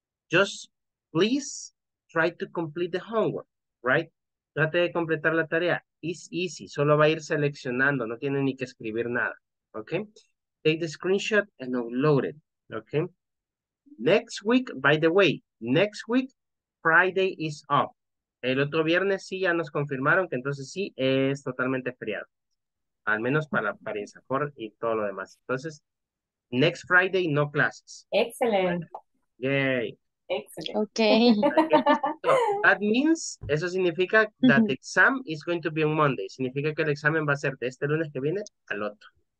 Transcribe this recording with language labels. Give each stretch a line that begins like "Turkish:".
English: Just please try to complete the homework, right?
Spanish: Trate de completar la tarea.
English: It's easy.
Spanish: Solo va a ir seleccionando. No tiene ni que escribir nada,
English: okay? Take the screenshot and upload it, okay? Next week, by the way, next week, Friday is off.
Spanish: El otro viernes sí ya nos confirmaron que entonces sí es totalmente feriado. Al menos para la apariencia y todo lo demás. Entonces,
English: next Friday,
Spanish: no clases. Excelente.
English: Yay. Excellent. Okay. So, that means,
Spanish: eso significa
English: that the exam is going to be on Monday.
Spanish: Significa que el examen va a ser de este lunes que viene al otro.